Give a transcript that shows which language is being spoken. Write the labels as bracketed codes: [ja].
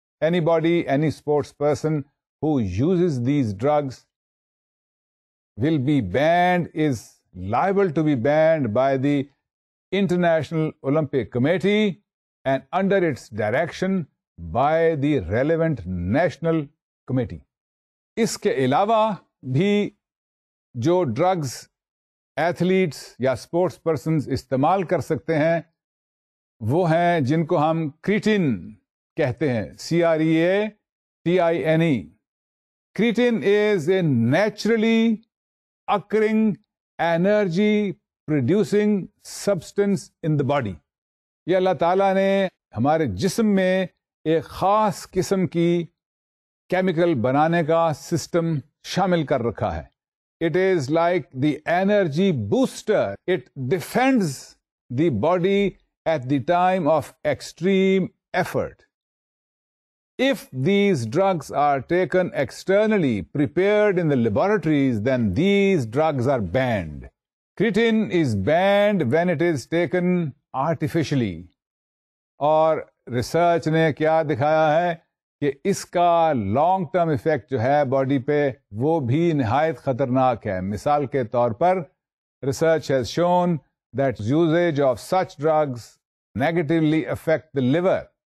[en] Anybody any sports person who uses these drugs will be banned, is liable to be banned by the international Olympic committee and under its direction by the relevant national committee. [ur] اس کے علاوہ بھی جو drugs athletes یا sports persons استعمال کر سکتے ہیں وہ ہیں جن کو ہم کریٹین کہتے ہیں, CREATINE. [en] Creatine is a naturally occurring energy producing substance in the body. [ur] یہ اللہ تعالیٰ نے ہمارے جسم میں ایک خاص قسم کی کیمیکل بنانے کا سسٹم شامل کر رکھا ہے. [en] It is like the energy booster. It defends the body at the time of extreme effort. If these drugs are taken externally, prepared in the laboratories, then these drugs are banned. Creatine is banned when it is taken artificially. [ur] Aur research ne kya dikhaya hai? کہ اس کا long term effect جو ہے body پہ وہ بھی نہایت خطرناک ہے. مثال کے طور پر [en] Research has shown that usage of such drugs negatively affect the liver.